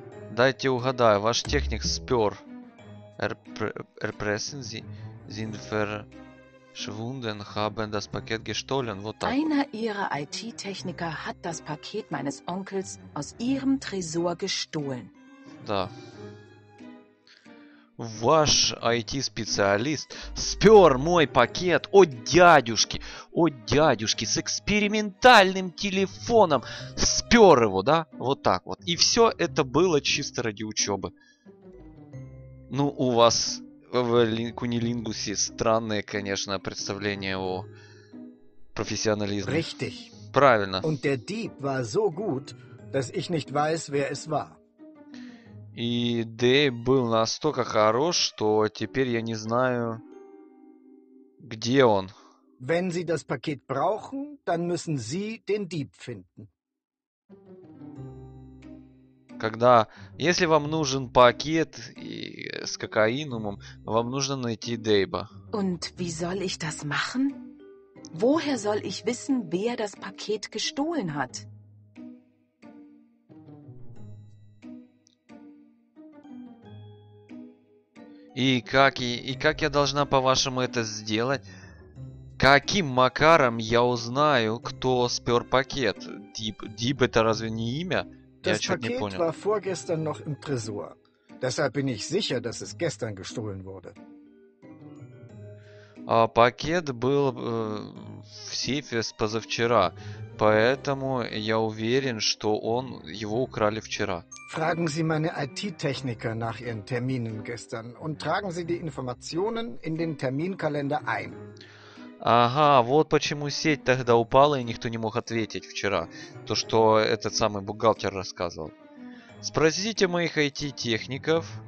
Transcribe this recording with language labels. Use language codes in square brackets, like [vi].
[ru] Дайте угадаю, ваш техник спёр. [de] Erpressen Sie sind verschwunden haben das Paket gestohlen. [ru] Вот так. [de] Einer Ihrer IT-Techniker hat das Paket meines Onkels aus Ihrem Tresor gestohlen. [ru] Да. Ваш IT-специалист спёр мой пакет о дядюшки с экспериментальным телефоном, спёр его, да, вот так вот. И всё это было чисто ради учёбы. Ну, у вас в Кунилингусе странное, конечно, представление о профессионализме. [de] Richtig. [ru] Правильно. [de] Und der Dieb war so gut, dass ich nicht weiß, wer es war. [ru] И Дэй был настолько хорош, что теперь я не знаю, где он. [de] Wenn Sie das Paket brauchen, dann müssen Sie den Dieb finden. [ru] Когда, если вам нужен пакет и, с кокаином, вам нужно найти Дэйба. [de] Und wie soll ich das machen? Woher soll ich wissen, wer das Paket gestohlen hat? [ru] И как я должна, по-вашему, это сделать? Каким макаром я узнаю, кто спер пакет? Дип это разве не имя? Я что-то не понял. [de] Das Paket war vorgestern noch im Tresor. Deshalb bin ich sicher, dass es gestern gestohlen wurde. [ru] А пакет был в сейфе с позавчера, поэтому я уверен, что он его украли вчера. [de] Fragen Sie meine IT-Techniker nach ihren Terminen gestern und tragen Sie die Informationen in den Terminkalender ein. [ru] Ага, вот почему сеть тогда упала и никто не мог ответить вчера, то что этот самый бухгалтер рассказывал. Спросите моих IT-техников.